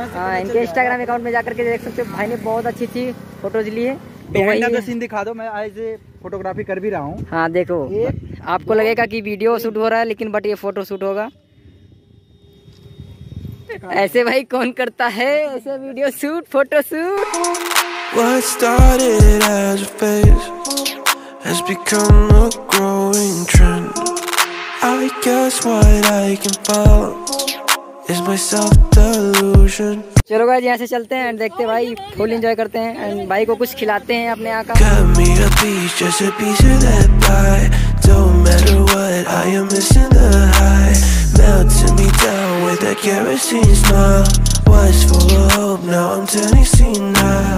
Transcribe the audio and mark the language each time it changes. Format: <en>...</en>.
<hi>हाँ, इनके Instagram account में जाकर के देख सकते हो। भाई ने बहुत अच्छी अच्छी फोटोज ली है। बिहाइंड द सीन दिखा दो, मैं आज फोटोग्राफी कर भी रहा हूँ। हाँ देखो, आपको लगेगा कि वीडियो शूट हो रहा है, लेकिन बट ये फोटो शूट होगा। ऐसे भाई कौन करता है ऐसे video shoot, photo shoot.</hi> <en>What started as a phase has become a growing trend. I guess what I can fall is my self-delusion.</en> <hi>चलो गाइस यहाँ से चलते हैं एंड देखते हैं भाई, फुल एंजॉय करते हैं एंड भाई को कुछ खिलाते हैं अपने यहाँ का।</hi> <en>Cut me a piece, just a piece of that pie. Don't matter what, I am missing the high. Melting me down with that kerosene smile. Was full of hope, now I'm turning senile.</en>